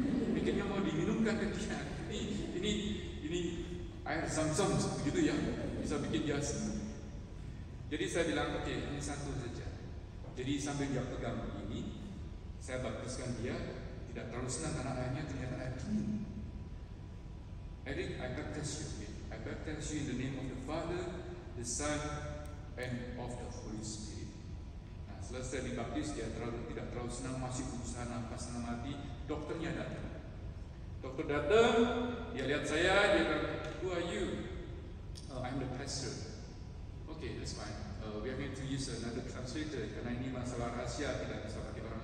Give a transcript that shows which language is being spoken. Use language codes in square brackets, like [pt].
[id] Pikirnya mau diminumkan ke dia. Ini air zam-zam begitu ya, bisa bikin dia sembuh. Jadi saya bilang, oke, okay, ini satu saja. Jadi sambil dia pegang ini, saya baptiskan dia, tidak terlalu senang karena airnya ternyata air dingin. [en] Eric, I baptize you. I baptize you in the name of the Father, the Son, and of the Holy Spirit. [id] Selesai dibaptis, dia tidak terlalu senang, masih berusaha nafas, senang mati. Dokternya datang. Dokter datang, dia lihat saya, dia bilang, [en] who are you? Oh, I'm the pastor. Okay, that's fine. We are going to use another translator, [id] karena ini masalah rahasia, tidak bisa pakai orang